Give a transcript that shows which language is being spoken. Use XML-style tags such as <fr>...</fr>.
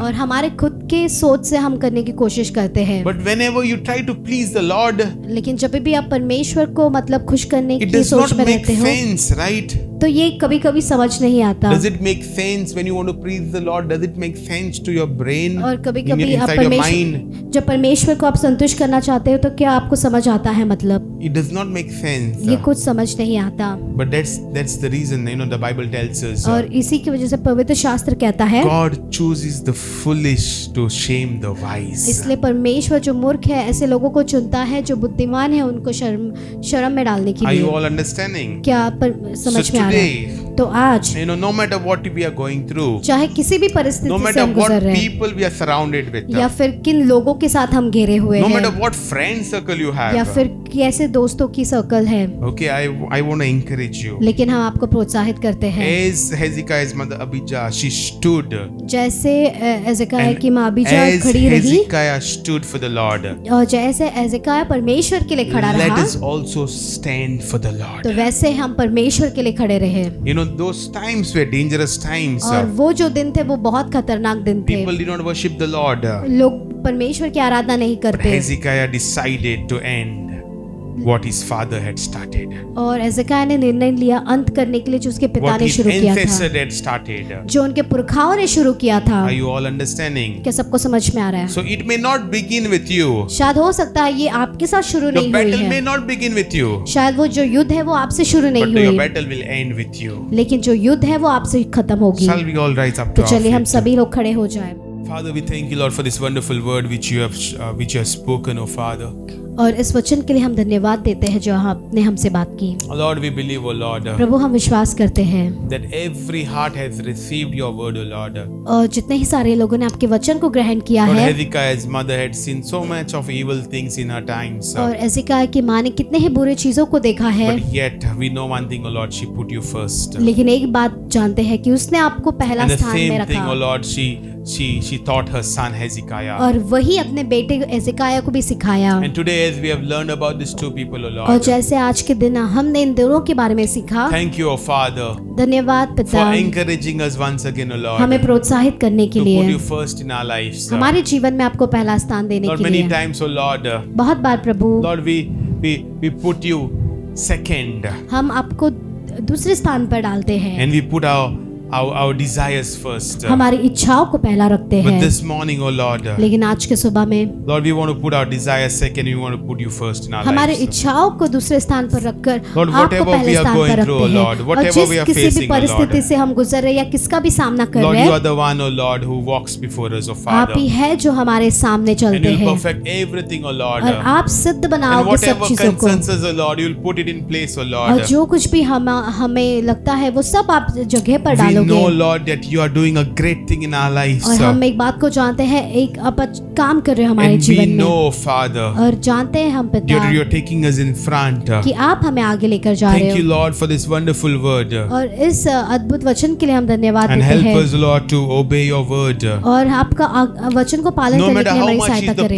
<hi>और हमारे खुद के सोच से हम करने की कोशिश करते हैं</hi> <en>but whenever you try to please the lord</en> <hi>लेकिन जब भी आप परमेश्वर को मतलब खुश करने की सोच में रहते हो</hi> <en>it does not make sense right</en> <hi>तो ये कभी-कभी समझ नहीं आता</hi> <en>does it make sense when you want to please the lord does it make sense to your brain</en> <hi>और कभी-कभी आप परमेश्वर जब परमेश्वर को आप संतुष्ट करना चाहते हो तो क्या आपको समझ आता है मतलब</hi> <en>it does not make sense</en> <hi>ये कुछ समझ नहीं आता</hi> <en>but that's the reason you know the bible tells us</en> <hi>और इसी की वजह से पवित्र शास्त्र कहता है</hi> <en>god chooses the foolish to shame the wise</en> <hi>इसलिए परमेश्वर जो मूर्ख है ऐसे लोगों को चुनता है जो बुद्धिमान है उनको शर्म में डालने के लिए</hi> <en>are you all understanding</en> <hi>क्या आप समझ में तो आज</hi> <en>you know, no matter what we are going through</en> <hi>चाहे किसी भी परिस्थिति</hi> <en>no matter</en> <hi>से हम गुजर रहे हैं</hi> <en>what people we are surrounded with</en> <hi>या फिर किन लोगों के साथ हम घेरे हुए</hi> <en>हैं no matter what friend circle you have</en> <hi>या फिर कैसे दोस्तों की सर्कल है</hi> <en>okay I want to encourage you</en> <hi>लेकिन हम आपको प्रोत्साहित करते हैं</hi> <en>as Hezekiah's mother Abijah she stood</en> <hi>जैसे Hezekiah की मां Abijah खड़ी रही</hi> <en>Hezekiah stood for the lord</en> <hi>और जैसे Hezekiah परमेश्वर के लिए खड़ा</hi> <en>let</en> <hi>रहा</hi> <en>let us also stand for the lord</en> <hi>तो वैसे हम परमेश्वर के लिए खड़े</hi> <en>You know those times were dangerous times.</en> <hi>और वो जो दिन थे वो बहुत खतरनाक दिन थे.</hi> <en>People did not worship the Lord.</en> <hi>लोग परमेश्वर की आराधना नहीं करते.</hi> <en>But Hezekiah decided to end what his father had started.</en> <hi>और Hezekiah ने निर्णय लिया अंत करने के लिए जो उसके पिता ने शुरू किया था.</hi> <en>What his ancestors had started.</en> <hi>जो उनके पुरखाओं ने शुरू किया था.</hi> <en>Are you all understanding?</en> <hi>क्या सबको समझ में आ रहा है?</hi> <en>So it may not begin with you.</en> <hi>शायद हो सकता है ये आपके साथ शुरू नहीं हुई है.</hi> <en>The battle may not begin with you.</en> <hi>शायद वो जो युद्ध है वो आपसे शुरू नहीं हुई है.</hi> <en>But your battle will end with you.</en> <hi>लेकिन जो युद्ध है वो आपसे खत्म होगी.</hi> <en>Shall we all rise up?</en> <hi>तो चलिए हम सभी लोग खड़े हो जाएं.</hi> <en>Father, we thank you, Lord, for this wonderful word which you have spoken, O Father.</en> <hi>और इस वचन के लिए हम धन्यवाद देते हैं जो आपने हमसे बात की</hi> <en>Lord, we believe, oh Lord,</en> <hi>प्रभु हम विश्वास करते हैं</hi> <en>that every heart has received your word, oh Lord.</en> <hi>और जितने ही सारे लोगों ने आपके वचन को ग्रहण किया</hi> <en>Lord,</en> <hi>है</hi> <en>Hezekiah's mother had seen so much of evil things in her time, sir.</en> <hi>और Hezekiah की माँ ने कितने ही बुरे चीजों को देखा है</hi> <en>But yet, we know one thing, oh Lord, she put you first.</en> <hi>लेकिन एक बात जानते हैं कि उसने आपको पहला</hi> <en>And the</en> <hi>स्थान</hi> <en>same</en> <hi>में रखा</hi> <en>thing, oh Lord, she taught her son Hezekiah</en> <hi>aur wahi apne bete Hezekiah ko bhi sikhaya</hi> <en>and today as we have learned about these two people oh Lord</en> <hi>aur jaise aaj ke din humne in dono ke bare mein sikha</hi> <en>thank you oh father</en> <hi>धन्यवाद पिता</hi> <en>for encouraging us once again oh Lord</en> <hi>हमें प्रोत्साहित करने के लिए</hi> <en>to put you first in our lives</en> <hi>हमारे जीवन में आपको पहला स्थान देने</hi> <en>Lord,</en> <hi>के लिए</hi> <en>many times oh Lord</en> <hi>बहुत बार प्रभु</hi> <en>Lord we put you second</en> <hi>हम आपको दूसरे स्थान पर डालते हैं</hi> <en>and we put our desires first</en> <hi>हमारी इच्छाओं को पहला रखते हैं</hi> <en>but this morning oh lord</en> <hi>लेकिन आज के सुबह में</hi> <en>lord we want to put our desires second we want to put you first in our lives</en> <hi>हमारी इच्छाओं को दूसरे स्थान पर रखकर</hi> <en>lord whatever we are going through oh lord whatever we are facing</en> <hi>किसी भी परिस्थिति से हम गुजर रहे या किसका भी सामना कर रहे</hi> <en>lord you are the one oh lord who walks before us oh father</en> <hi>आप ही है जो हमारे सामने चलते हैं</hi> <en>and you'll perfect everything oh lord</en> <hi>और आप सिद्ध बनाओगे सब चीजों</hi> <en>को whatever concerns oh lord you'll put it in place oh lord</en> <hi>और जो कुछ भी हमें लगता है वो सब आप जगह पर डाल</hi> <en>No, Lord, that you are doing a great thing in our lives.</en> <hi>और हम एक बात को जानते हैं, एक आप काम कर रहे हो हमारे जीवन में.</hi> <en>And we know, Father.</en> <hi>और जानते हैं हम पिता.</hi> <en>You're taking us in front.</en> <hi>कि आप हमें आगे लेकर जा रहे हो.</hi> <en>Thank you, Lord, for this wonderful word.</en> <hi>और इस अद्भुत वचन के लिए हम धन्यवाद देते हैं.</hi> <en>And help us, Lord, to obey your word.</en> <hi>और आपका वचन को पालन करने के लिए हमारी सहायता करें.</hi>